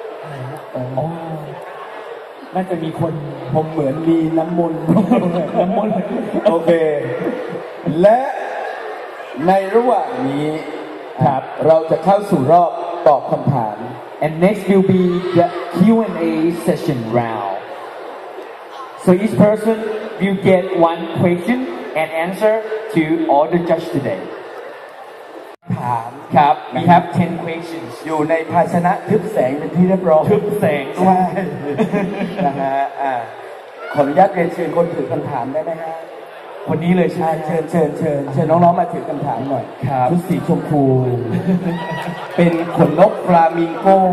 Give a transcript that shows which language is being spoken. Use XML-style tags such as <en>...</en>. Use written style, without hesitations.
<th>ฮะน่าจะมีคน ผมเหมือนมีน้ำมน ต์น้ำมน ต์โอเคและในระหว่างนี้ครับ เราจะเข้าสู่รอบตอบคำถาม</th> <en>And next will be the Q&A session round. So each person will get one question and answer to all the judge today.</en> <th>ถาม</th> <en>ครับ We have 10 questions.</en> <th>อยู่ในภาชนะทึบแสงเป็นที่เรียบร้อย ทึบแสง ใช่นะฮะขออนุญาตเรียนเชิญคนถือคำถามได้ไหมฮะ คนนี้เลยใช่ เชิญเชิญเชิญเชิญน้องๆมาถือคำถามหน่อย ครับ ชุดสีชมพูเป็นขนนกฟลามิงโก้</th>